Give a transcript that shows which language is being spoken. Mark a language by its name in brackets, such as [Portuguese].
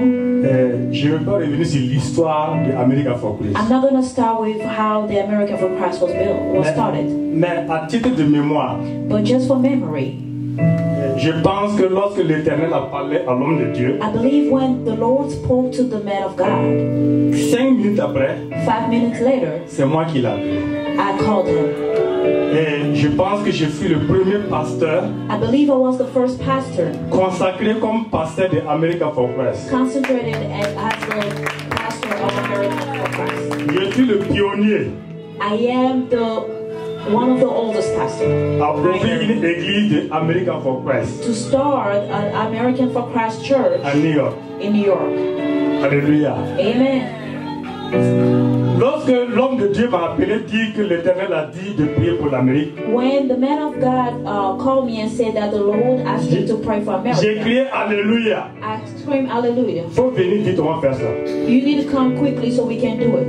[French] je ne veux pas revenir sur l'histoire de America for Christ. [English] I'm not going to start with how the America for Christ was built, started. [French] Mais à titre de mémoire, [English] but just for memory, [French] je pense que lorsque l'Éternel a parlé à l'homme de Dieu, [English] I believe when the Lord spoke to the man of God, [French] 5 minutes après, [English] 5 minutes later, [French] c'est moi qui l'ai appelé. [English] I called him. [French] Et je pense que je fus le premier pasteur, [English] I believe I was the first pastor, [French] consacré comme pasteur de America for Christ. [English] Concentrated as pastor of America for Christ. [French] Je suis le pionnier. [English] I am one of the oldest pastors. [French] À ouvrir une église de America for Christ. [English] To start an American for Christ church. [French] À New York. [English] In New York. [French] Alléluia. [English] Amen. [French] Lorsque l'homme de Dieu m'a appelé, dit que l'Éternel a dit de prier pour l'Amérique. [English] When the man of God called me and said that the Lord asked me to pray for America, [French] j'ai crié Alléluia. [English] I screamed Alléluia. [French] Faut venir vite, on va faire ça. [English] You need to come quickly so we can do it.